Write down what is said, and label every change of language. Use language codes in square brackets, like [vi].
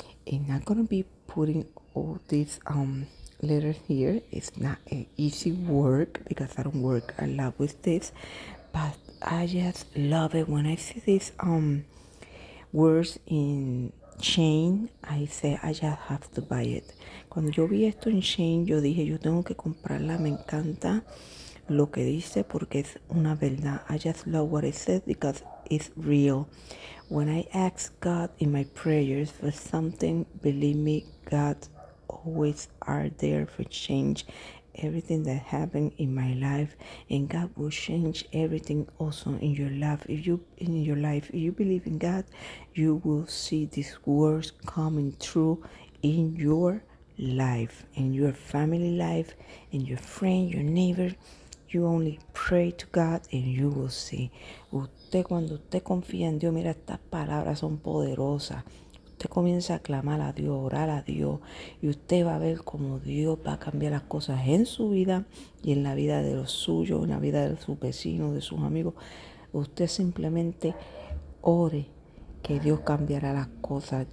[en] And I'm going to be putting all these letters here. It's not an easy work because I don't work a lot with this, but I just love it. When I see these words in chain, I say I just have to buy it. [es] Cuando yo vi esto en chain, yo dije, yo tengo que comprarla. Me encanta lo que dice porque es una verdad. [en] I just love what it says because it's real. When I ask God in my prayers for something, believe me, God always are there for change everything that happened in my life, and God will change everything also in your life. If you believe in God, you will see these words coming true in your life, in your family life, in your friend, your neighbor. You only pray to God and you will see. [es] Usted, cuando usted confía en Dios, mira, estas palabras son poderosas. Usted comienza a clamar a Dios, a orar a Dios, y usted va a ver cómo Dios va a cambiar las cosas en su vida y en la vida de los suyos, en la vida de sus vecinos, de sus amigos. Usted simplemente ore que Dios cambiará las cosas.